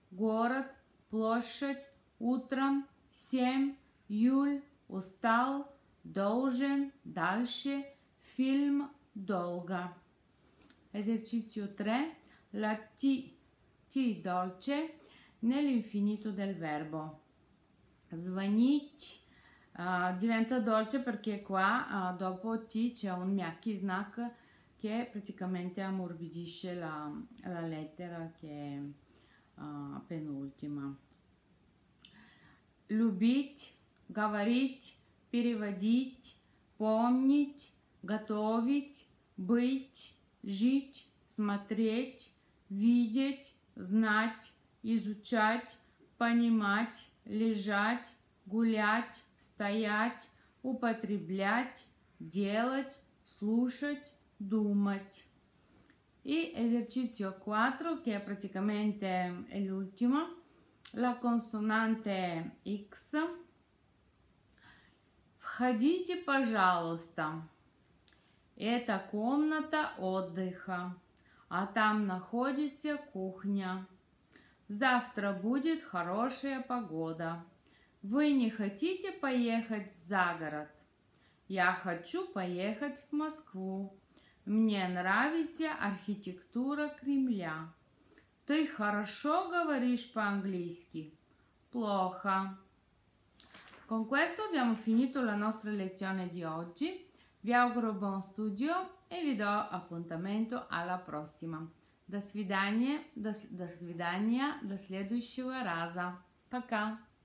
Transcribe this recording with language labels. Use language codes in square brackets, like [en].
[ru] Город, площадь, утром, 7, июль, устал, должен, дальше, фильм, долго. [it] Esercizio 3. La T, T dolce, nell'infinito del verbo. Звонить, diventa dolce perché qua dopo T c'è un мягкий знак che praticamente ammorbidisce la lettera che penultima. [ru] Любить, говорить, переводить, помнить, готовить, быть, жить, смотреть, видеть, знать, изучать, понимать, лежать, гулять, стоять, употреблять, делать, слушать, думать. [it] E esercizio 4, che è praticamente l'ultimo, la consonante X. [ru] Входите, пожалуйста. Это комната отдыха, а там находится кухня. Завтра будет хорошая погода. Вы не хотите поехать за город? Я хочу поехать в Москву. Мне нравится архитектура Кремля. Ты хорошо говоришь по-английски? Плохо. [it] Con questo abbiamo finito la nostra lezione di oggi. Vi auguro buon studio e vi do appuntamento alla prossima. [ru] До свидания, до следующего раза. Пока.